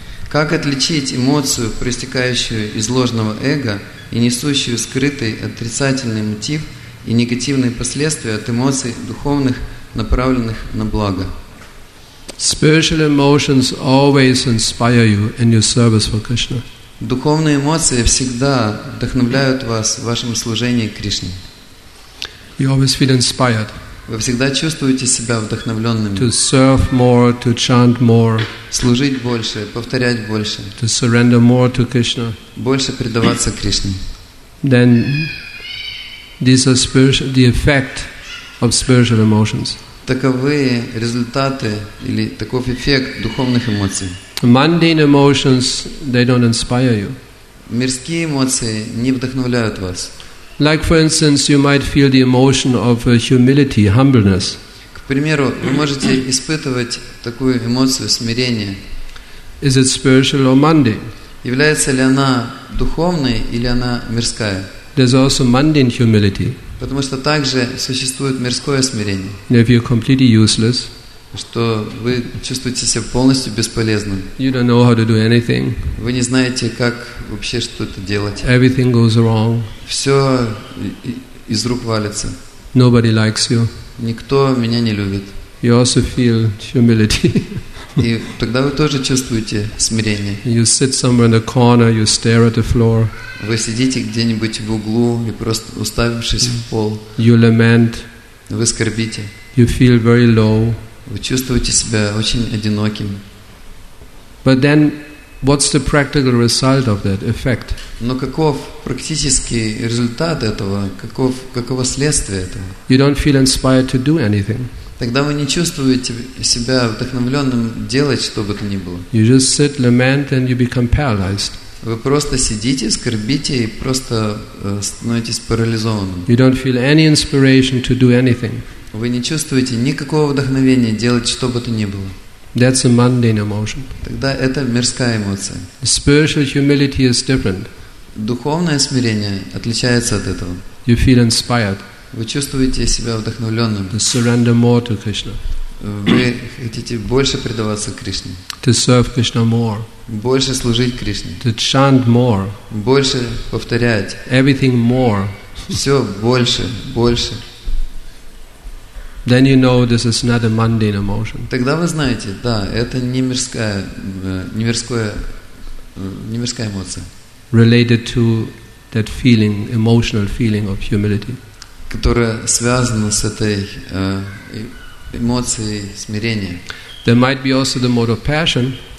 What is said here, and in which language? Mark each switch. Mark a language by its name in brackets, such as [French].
[Russian] Как отличить эмоцию, проистекающую из ложного эго и несущую скрытый отрицательный мотив и негативные последствия от эмоций духовных, направленных на благо? [English] Spiritual emotions always inspire you in your service for Krishna. [Russian] Духовные эмоции всегда вдохновляют вас в вашем служении Кришне. [English] You always feel inspired. [Russian] Вы всегда чувствуете себя вдохновленным. [English] To serve more, to chant more. [Russian] Служить больше, повторять больше. [English] To surrender more to Krishna. [Russian] Больше предаваться Кришне. [English] Then these are spiritual, the effect of spiritual emotions. [Russian] Таковы результаты или таков эффект духовных эмоций. [English] Mundane emotions, they don't inspire you. [Russian] Мирские эмоции не вдохновляют вас. [English] Like, for instance, you might feel the emotion of humility, humbleness. [Russian] К примеру, вы можете испытывать такую эмоцию смирения. [English] Is it spiritual or mundane? [Russian] Является ли она духовной или она мирская? [English] There's also mundane humility. [Russian] Потому что также существует мирское смирение. [English] If you're completely useless. [Russian] Что вы чувствуете себя полностью бесполезным. [English] You don't know how to do anything. [Russian] Вы не знаете, как вообще что-то делать. [English] Everything goes wrong. [Russian] Все из рук валится. [English] Nobody likes you. [Russian] Никто меня не любит. [English] You also feel humility. [Russian] И тогда вы тоже чувствуете смирение. [English] You sit somewhere in the corner, you stare at the floor. [Russian] Вы сидите где-нибудь в углу и просто уставившись в пол. [English] You lament. [Russian] Вы скорбите. [English] You feel very low. [Russian] Вы чувствуете себя очень одиноким. [English] But then, what's the practical result of that effect? [Russian] Но каков практический результат этого? Каково следствие этого? [English] You don't feel inspired to do anything. [Russian] Тогда вы не чувствуете себя вдохновленным делать что бы то ни было. [English] You just sit, lament, and you become paralyzed. [Russian] Вы просто сидите, скорбите и просто становитесь парализованным. [English] You don't feel any inspiration to do anything. [Russian] Вы не чувствуете никакого вдохновения делать что бы то ни было. [English] That's a mundane emotion. [Russian] Тогда это мирская эмоция. [English] Spiritual humility is different. [Russian] Духовное смирение отличается от этого. [English] You feel inspired. [Russian] Вы чувствуете себя вдохновленным. [English] To surrender more to Krishna. [Russian] Вы хотите больше предаваться Кришне. [English] To serve Krishna more. [Russian] Больше служить Кришне. [English] To chant more. [Russian] Больше повторять. [English] Everything more. [Russian] Все больше, больше. [English] Then you know this is not a mundane emotion. [Russian] Тогда вы знаете, да, это не мирская, не мирская эмоция. [English] Related to that feeling, emotional feeling of humility. [Russian] Которая связана с этой эмоцией смирения. [English] There might be also the mode of passion.